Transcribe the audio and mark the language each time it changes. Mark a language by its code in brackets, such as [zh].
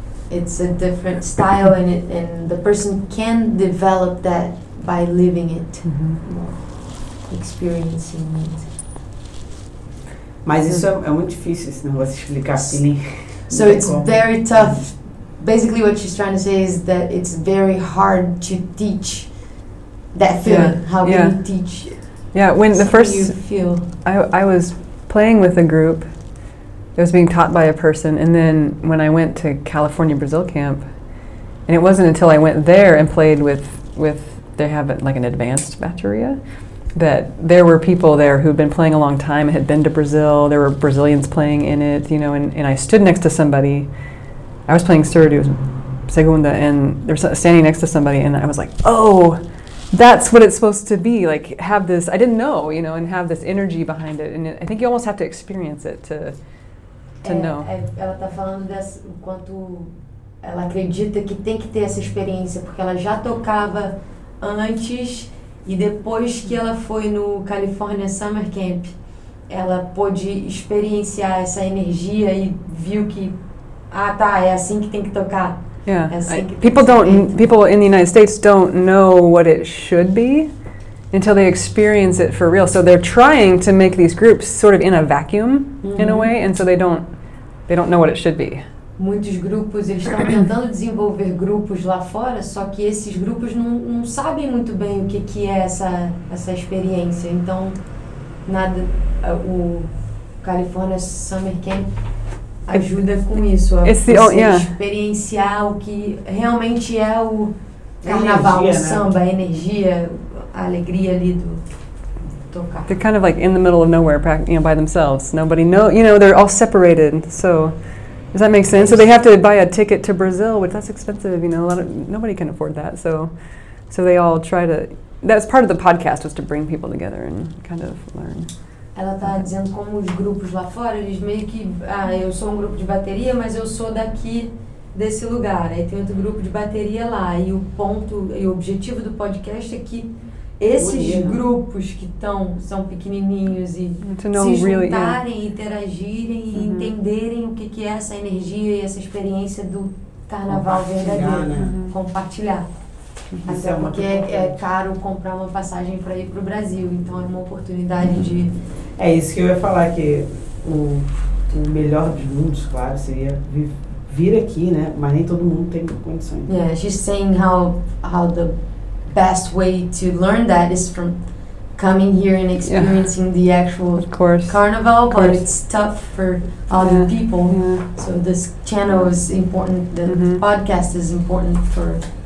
[en] It's a different style, and the person can develop that by living it, experiencing it. [pt] Mas isso é muito difícil, senão vou explicar assim. [en] So it's very tough. Basically, what she's trying to say is that it's very hard to teach that feeling. Yeah. How can you teach Yeah, when so the first you feel I was playing with a group. It was being taught by a person, and then when I went to California Brazil Camp, and it wasn't until I went there and played with they have an advanced bateria, that there were people there who'd been playing a long time, had been to Brazil, there were Brazilians playing in it, you know, and I stood next to somebody, I was playing Surdo, it was Segunda, and they were standing next to somebody, and I was like, oh, that's what it's supposed to be, like, have this, I didn't know, you know, and have this energy behind it, and I think you almost have to experience it to know. [pt] Ela tá falando desse, quanto ela acredita que tem que ter essa experiência, porque ela já tocava antes, e depois que ela foi no California Summer Camp, ela pôde experienciar essa energia e viu que, ah, tá, é assim que tem que tocar. [en] Yeah, people in the United States don't know what it should be until they experience it for real. So they're trying to make these groups sort of in a vacuum, mm-hmm. in a way, and so they don't know what it should be. [pt] Muitos grupos, eles estão tentando desenvolver grupos lá fora, só que esses grupos não sabem muito bem o que é essa experiência. Então, nada, o California Summer Camp ajuda com isso, a você [en] yeah. [pt] experienciar o que realmente é o carnaval, energia, o samba, a energia, a alegria ali do... [en] They're kind of like in the middle of nowhere, you know, by themselves. Nobody knows, you know, they're all separated. So, does that make sense? So they have to buy a ticket to Brazil, which that's expensive, you know. Nobody can afford that. So they all try to, that's part of the podcast, was to bring people together and kind of learn. [pt] Ela tá dizendo como os grupos lá fora, eles meio que, ah, eu sou um grupo de bateria, mas eu sou daqui desse lugar. Aí tem outro grupo de bateria lá. E o ponto, e o objetivo do podcast é que esses grupos que estão são pequenininhos e se juntarem, [en] really, yeah. [pt] interagirem e entenderem o que é essa energia e essa experiência do carnaval verdadeiro, né? Compartilhar. Até porque é caro comprar uma passagem para ir para o Brasil, então é uma oportunidade de... É isso que eu ia falar, que o melhor dos mundos, claro, seria vir aqui, né? Mas nem todo mundo tem condições. [en] Yeah, she's saying how the best way to learn that is from coming here and experiencing the actual carnival, but it's tough for other people. Yeah. So this channel is important, the podcast is important for...